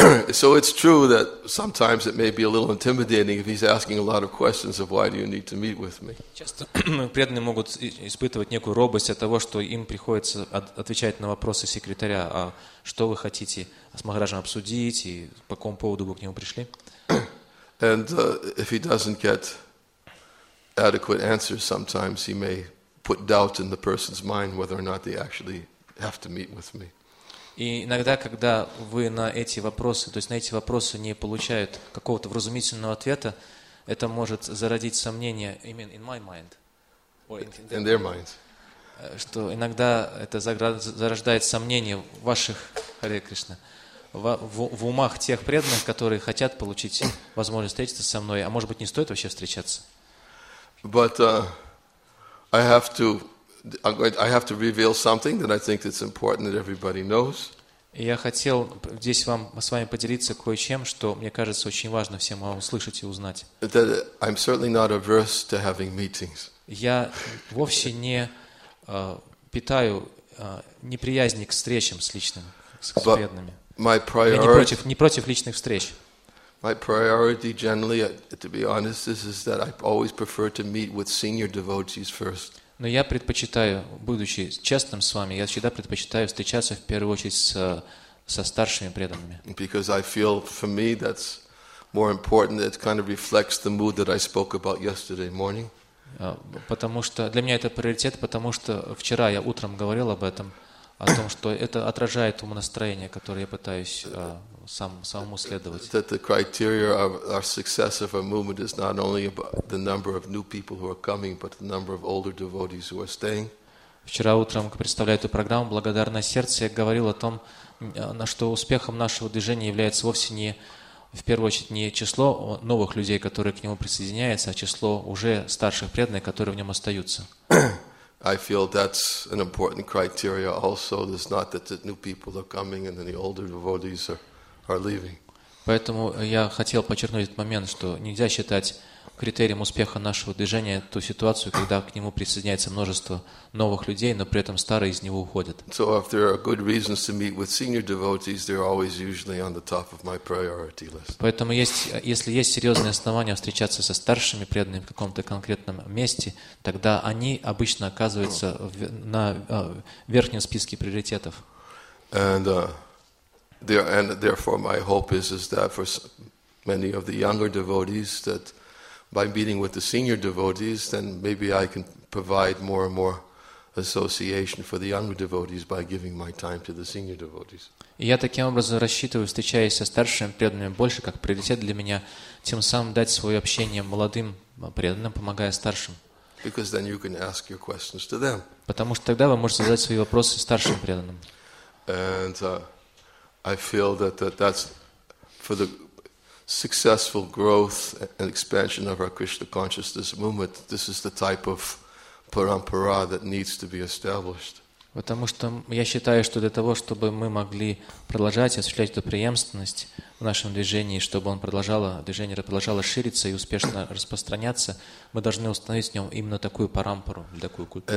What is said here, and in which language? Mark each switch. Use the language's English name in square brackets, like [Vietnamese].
[English] So it's true that sometimes it may be a little intimidating if he's asking a lot of questions of why do you need to meet with me. [Russian] Часто преданные могут испытывать некую робость от того, что им приходится отвечать на вопросы секретаря, а что вы хотите с Махараджем обсудить и по какому поводу вы к нему пришли? [English] And if he doesn't get adequate answers, sometimes he may put doubt in the person's mind whether or not they actually have to meet with me. [Russian] И иногда, когда вы на эти вопросы, то есть на эти вопросы не получают какого-то вразумительного ответа, это может зародить сомнение именно [English] in my mind. In their mind. [Russian] Что иногда это зарождает сомнение в ваших, Харе Кришна, в умах тех преданных, которые хотят получить возможность встретиться со мной, а может быть не стоит вообще встречаться. [English] But I have to reveal something that I think it's important that everybody knows. [Russian] Я хотел здесь вам с вами поделиться кое-чем, что мне кажется очень важно всем вам услышать и узнать. [English] That I'm certainly not averse to having meetings. [Russian] Я вовсе не питаю неприязни к встречам с личными, с преданными. [English] My priority. [Russian] Я не против личных встреч. [English] My priority, generally, to be honest, is that I always prefer to meet with senior devotees first. [Russian] Но я предпочитаю, будучи честным с вами, я всегда предпочитаю встречаться в первую очередь со старшими преданными. [English] Because I feel for me that's more important, it kind of reflects the mood that I spoke about yesterday morning. [Russian] Потому что для меня это приоритет, потому что вчера я утром говорил об этом, о том, что это отражает ум настроение, которое я пытаюсь самому следовать. [English] That the criteria of our success of a movement is not only about the number of new people who are coming, but the number of older devotees who are staying. [Russian] Вчера утром, представляя эту программу, благодарное сердце, я говорил о том, на что успехом нашего движения является вовсе не, в первую очередь, не число новых людей, которые к нему присоединяются, а число уже старших преданных, которые в нем остаются. [English] I feel that's an important criteria also. It's not that the new people are coming and then the older devotees are leaving. [Russian] Поэтому я хотел подчеркнуть этот момент, что нельзя считать критерием успеха нашего движения ту ситуацию, когда к нему присоединяется множество новых людей, но при этом старые из него уходят. [English] So if there are good reasons to meet with senior devotees, they're always usually on the top of my priority list. [Russian] Поэтому если есть серьезные основания встречаться со старшими преданными в каком-то конкретном месте, тогда они обычно оказываются на верхнем списке приоритетов. [English] And therefore, my hope is that for many of the younger devotees, that by meeting with the senior devotees, then maybe I can provide more and more association for the younger devotees by giving my time to the senior devotees. [Russian] Я таким образом рассчитываю, встречаясь со старшими преданными, больше как приоритет для меня, тем самым дать свое общение молодым преданным, помогая старшим. [English] Because then you can ask your questions to them. [Russian] Потому что тогда вы можете задать свои вопросы старшим преданным. [English] And I feel that's for the successful growth and expansion of our Krishna consciousness movement. This is the type of parampara that needs to be established. [Russian] Потому что я считаю, что для того, чтобы мы могли продолжать осуществлять эту преемственность в нашем движении, чтобы он продолжало, движение продолжало шириться и успешно распространяться, мы должны установить в нем именно такую парампару, такую культуру.